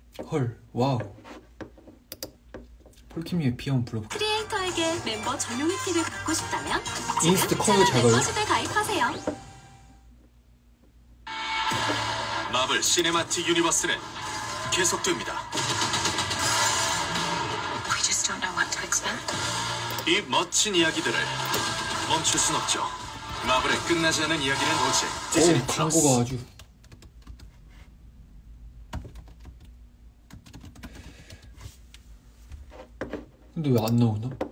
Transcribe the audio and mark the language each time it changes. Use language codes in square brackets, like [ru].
[ko] 헐 와우 폴킴이의 비 한번 불러볼게요. 크리에이터에게 멤버 전용 스킬을 갖고 싶다면 지금 인스트 커요 작아요. 멤버십에 가입하세요. 마블 시네마틱 유니버스는 계속됩니다. [en] We just don't know what to expect. [ko] 이 멋진 이야기들을 멈출 순 없죠. 마블의 끝나지 않은 이야기는 오직 디즈니 플러스. 광고가 아주. 근데 왜안 나오나?